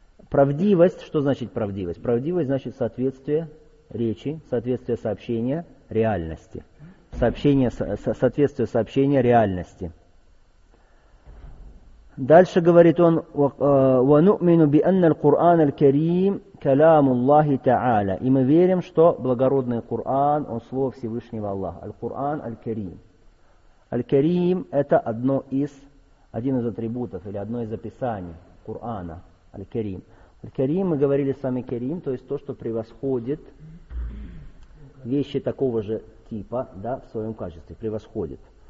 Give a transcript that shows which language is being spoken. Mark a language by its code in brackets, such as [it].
[ru] Правдивость, что значит правдивость? Правдивость значит соответствие речи, соответствие сообщения реальности. Соответствие сообщения реальности. Дальше говорит он, [ar] وَنُؤْمِنُ بِأَنَّ الْقُرْآنَ الْكَرِيمُ كَلَامُ اللَّهِ تَعَالَى. [ru] И мы верим, что благородный Коран, он слово Всевышнего Аллаха. Аль-Коран, Аль-Карим. Аль-Карим это один из атрибутов или одно из описаний Корана. Аль-Карим. Аль-Карим, мы говорили с вами Карим, то есть то, что превосходит вещи такого же типа, да, в своем качестве, превосходит.